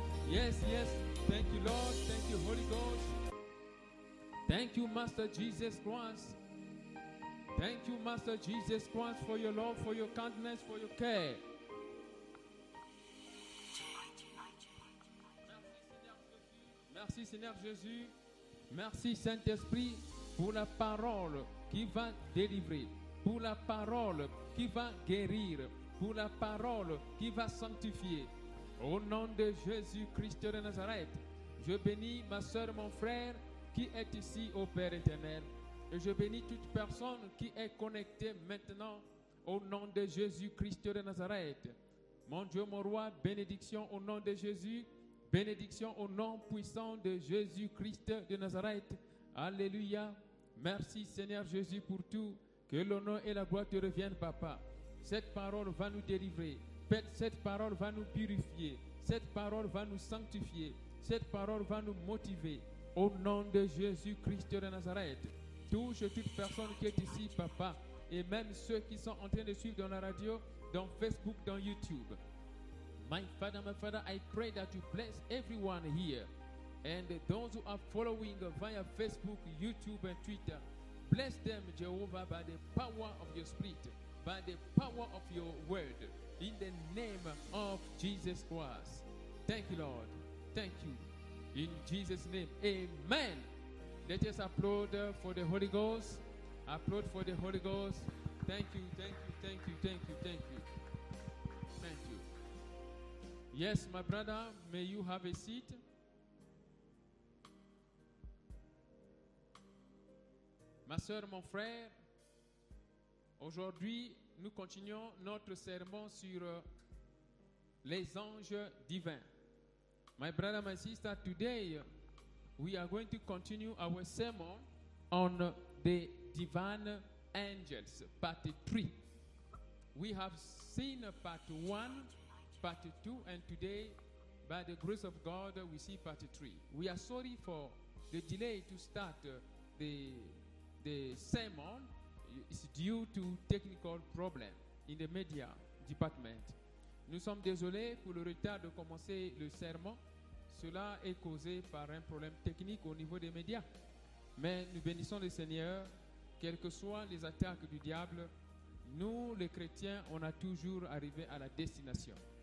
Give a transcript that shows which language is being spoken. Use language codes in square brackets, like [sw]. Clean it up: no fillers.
[en] Yes, yes, thank you Lord, thank you Holy Ghost, thank you Master Jesus Christ, thank you Master Jesus Christ for your love, for your kindness, for your care. [fr] Merci Seigneur Jésus, merci Saint-Esprit pour la parole qui va délivrer, pour la parole qui va guérir, pour la parole qui va sanctifier. Au nom de Jésus-Christ de Nazareth, je bénis ma soeur, mon frère qui est ici au Père éternel. Et je bénis toute personne qui est connectée maintenant au nom de Jésus-Christ de Nazareth. Mon Dieu, mon roi, bénédiction au nom de Jésus. Bénédiction au nom puissant de Jésus-Christ de Nazareth. Alléluia. Merci Seigneur Jésus pour tout. Que l'honneur et la gloire te reviennent, Papa. Cette parole va nous délivrer. Cette parole va nous purifier. Cette parole va nous sanctifier. Cette parole va nous motiver. Au nom de Jésus-Christ de Nazareth. Touche toute personne qui est ici, Papa. Et même ceux qui sont en train de suivre dans la radio, dans Facebook, dans YouTube. [en] My Father, I pray that you bless everyone here. And those who are following via Facebook, YouTube, and Twitter, bless them, Jehovah, by the power of your Spirit, by the power of your word, in the name of Jesus Christ. Thank you, Lord. Thank you. In Jesus' name, amen. Let us applaud for the Holy Ghost. Applaud for the Holy Ghost. Thank you, thank you, thank you, thank you, thank you. Yes, my brother, may you have a seat. [fr] Ma soeur, mon frère, aujourd'hui, nous continuons notre sermon sur les anges divins. [en] My brother, my sister, today, we are going to continue our sermon on the divine angels, part 3. We have seen part 1. Part 2, and today, by the grace of God, we see part 3. We are sorry for the delay to start the sermon. It's due to technical problem in the media department. [fr] Nous sommes désolés pour le retard de commencer le sermon. Cela est causé par un problème technique au niveau des médias. Mais nous bénissons le Seigneur, quelles que soient les attaques du diable, nous, les chrétiens, on a toujours arrivé à la destination.